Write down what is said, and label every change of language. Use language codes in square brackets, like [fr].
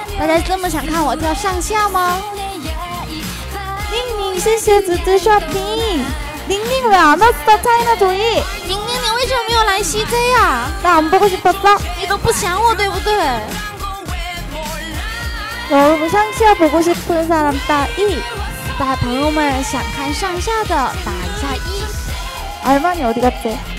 [zh] 大家这么想看我跳上下吗？宁宁，谢谢子子刷屏。 [ko] 宁宁，왜안왔어차이나조이？ [zh] 宁宁，你为什么没有来 CJ 呀？ [ko] 나안보고싶었어。 [zh] 你都不想我，对不对？ [ko] 여러분상下보고싶은사람 [zh] 打一，大家朋友们想看上下的打一下一。 [ko] 알마니어디갔어